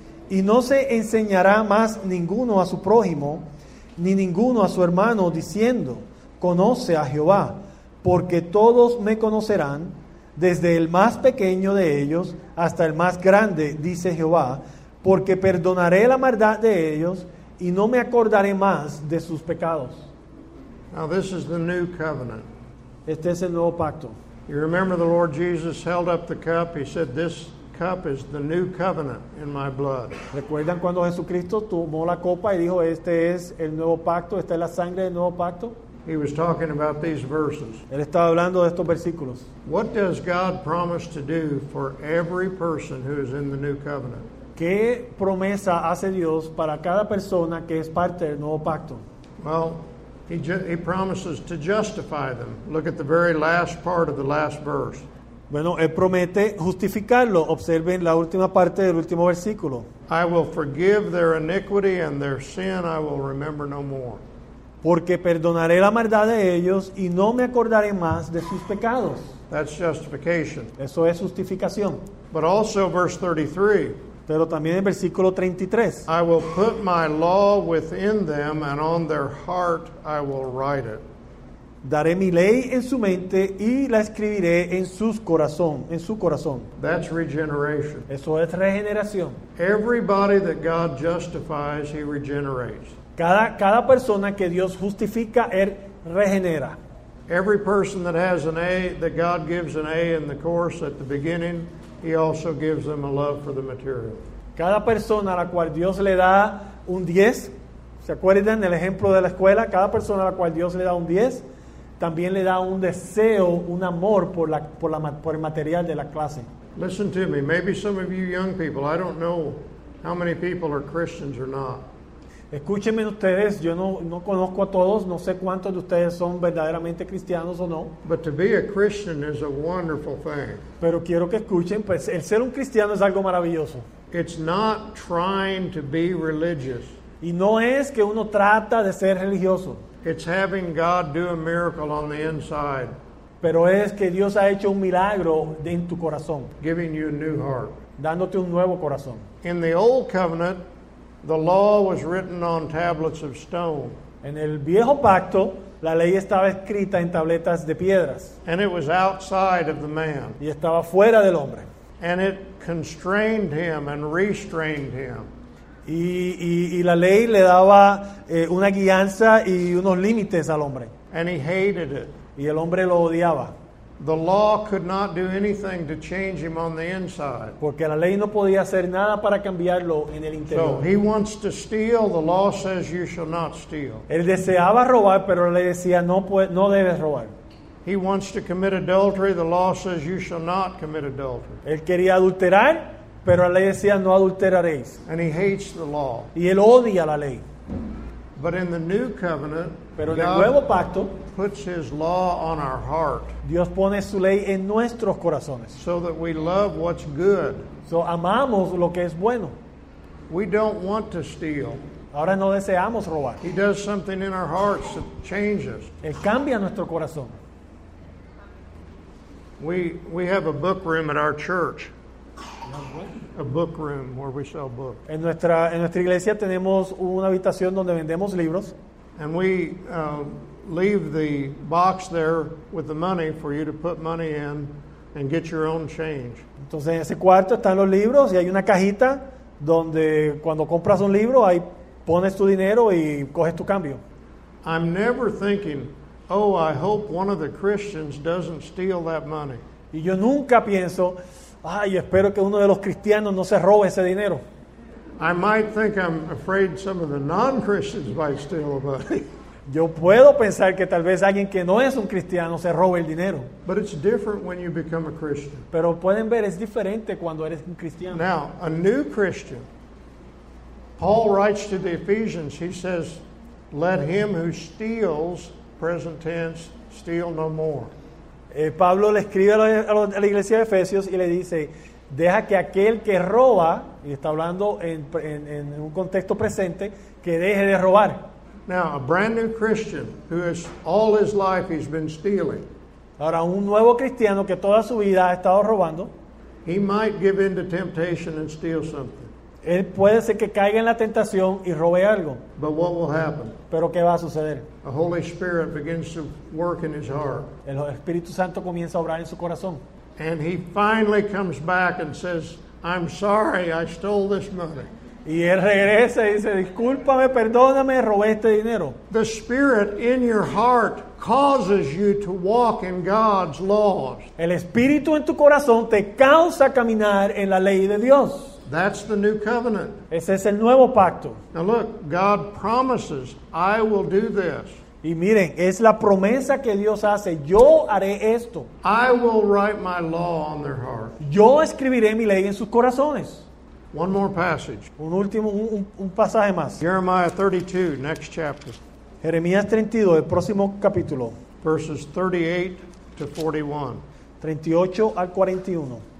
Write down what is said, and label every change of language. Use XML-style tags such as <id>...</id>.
<es>Y no se enseñará más ninguno a su prójimo, ni ninguno a su hermano, diciendo, conoce a Jehová, porque todos me conocerán, desde el más pequeño de ellos hasta el más grande, dice Jehová, porque perdonaré la maldad de ellos y no me acordaré más de sus pecados.</es> <en>Now this is the new covenant.</en> <es>Este es el nuevo pacto.</es> <en>You remember the Lord Jesus held up the cup. He said, this cup is the new covenant in my blood.</en> <es>¿Recuerdan cuando Jesucristo tomó la copa y dijo, este es el nuevo pacto, esta es la sangre del nuevo pacto?</es> <en>He was talking about these verses.</en> <es>Él estaba hablando de estos versículos.</es> <en>What does God promise to do for every person who is in the new covenant?</en> <es>¿Qué promesa hace Dios para cada persona que es parte del nuevo pacto?</es> <en>Well, He promises to justify them. Look at the very last part of the last verse.</en> <es>Bueno, él promete justificarlo. Observen la última parte del último versículo.</es> <en>I will forgive their iniquity and their sin I will remember no more.</en> <es>Porque perdonaré la maldad de ellos y no me acordaré más de sus pecados.</es> <en>That's justification.</en> <es>Eso es justificación.</es> <en>But also verse 33.</en> <es>Pero también en versículo 33.</es> <en>I will put my law within them and on their heart I will write it.</en> <es>Daré mi ley en su mente y la escribiré en sus corazón, en su corazón.</es> <en>That's regeneration.</en> <es>Eso es regeneración.</es> <en>Everybody that God justifies, he regenerates.</en> <es>Cada persona que Dios justifica, él regenera.</es> <en>Every person that has an A, that God gives an A in the course at the beginning, he also gives them a love for the material.</en> <es>Cada persona a la cual Dios le da un 10, ¿se acuerdan del ejemplo de la escuela? Cada persona a la cual Dios le da un 10, también le da un deseo, un amor por el material de la clase.</es> <en>Listen to me, maybe some of you young people, I don't know how many people are Christians or not.</en> <es>Escúchenme ustedes, yo no conozco a todos, no sé cuántos de ustedes son verdaderamente cristianos o no.</es> <en>But to be a Christian is a wonderful thing.</en> <es>Pero quiero que escuchen, pues el ser un cristiano es algo maravilloso.</es> <en>It's not trying to be religious.</en> <es>Y no es que uno trata de ser religioso.</es> <en>It's having God do a miracle on the inside.</en> <es>Pero es que Dios ha hecho un milagro en tu corazón.</es> <en>Giving you a new heart.</en> <es>Dándote un nuevo corazón.</es> <en>In the old covenant, the law was written on tablets of stone.</en> <es>En el viejo pacto, la ley estaba escrita en tabletas de piedras.</es> <en>And it was outside of the man.</en> <es>Y estaba fuera del hombre.</es> <en>And it constrained him and restrained him.</en> <es>Y la ley le daba una guianza y unos límites al hombre.</es> <en>And he hated it.</en> <es>Y el hombre lo odiaba.</es> <en>The law could not do anything to change him on the inside.</en> <es>Porque la ley no podía hacer nada para cambiarlo en el interior.</es> <en>So he wants to steal. The law says you shall not steal.</en> <es>Él deseaba robar, pero le decía no debes robar.</es> <en>He wants to commit adultery. The law says you shall not commit adultery.</en> <es>Él quería adulterar. Pero la ley decía, no adulteraréis.</es> <en>And he hates the law.</en> <es>Y él odia la ley.</es> <en>But in the new covenant,</en> <es>pero en el nuevo pacto,</es> <en>puts his law on our heart.</en> <es>Dios pone su ley en nuestros corazones.</es> <en>So that we love what's good.</en> <es>So amamos lo que es bueno.</es> <en>We don't want to steal.</en> <es>Ahora no deseamos robar.</es> <en>He does something in our hearts that changes.</en> <es>Él cambia nuestro corazón.</es> <en>We have a book room at our church. A book room where we sell books.</en> <es>En nuestra iglesia tenemos una habitación donde vendemos libros.</es> <en>And we leave the box there with the money for you to put money in and get your own change.</en> <es>Entonces en ese cuarto están los libros y hay una cajita donde cuando compras un libro ahí pones tu dinero y coges tu cambio.</es> <en>I'm never thinking, oh, I hope one of the Christians doesn't steal that money.</en> <es>Y yo nunca pienso, ay, espero que uno de los cristianos no se robe ese dinero.</es> <en>I might think I'm afraid some of the non-Christians might steal the money.</en> <es>Yo puedo pensar que tal vez alguien que no es un cristiano se robe el dinero.</es> <en>But it's different when you become a Christian.</en> <es>Pero pueden ver, es diferente cuando eres un cristiano.</es> <en>Now, a new Christian, Paul writes to the Ephesians, he says, let him who steals, present tense, steal no more.</en> <es>Pablo le escribe a la iglesia de Efesios y le dice, deja que aquel que roba, y está hablando en un contexto presente, que deje de robar.</es> <en>Now, a brand new Christian who has all his life he's been stealing.</en> <es>Ahora, un nuevo cristiano que toda su vida ha estado robando.</es> <en>He might give in to temptation and steal something.</en> <es>Él puede ser que caiga en la tentación y robe algo.</es> <en>But what will happen?</en> <es>Pero ¿qué va a suceder?</es> <en>The Holy Spirit begins to work in his heart.</en> <es>El Espíritu Santo comienza a obrar en su corazón.</es> <en>And he finally comes back and says, I'm sorry, I stole this money.</en> <es>Y él regresa y dice, discúlpame, perdóname, robé este dinero.</es> <en>The Spirit in your heart causes you to walk in God's laws.</en> <es>El Espíritu en tu corazón te causa caminar en la ley de Dios.</es> <en>That's the new covenant.</en> <es>Ese es el nuevo pacto.</es> <en>Now look, God promises, I will do this.</en> <es>Y miren, es la promesa que Dios hace, yo haré esto.</es> <en>I will write my law on their heart.</en> <es>Yo escribiré mi ley en sus corazones.</es> <en>One more passage.</en> <es>Un último, un pasaje más.</es> <en>Jeremiah 32, next chapter.</en> <es>Jeremías 32, el próximo capítulo.</es> <en>Verses 38 to 41.</en> <es>38 al 41.</es>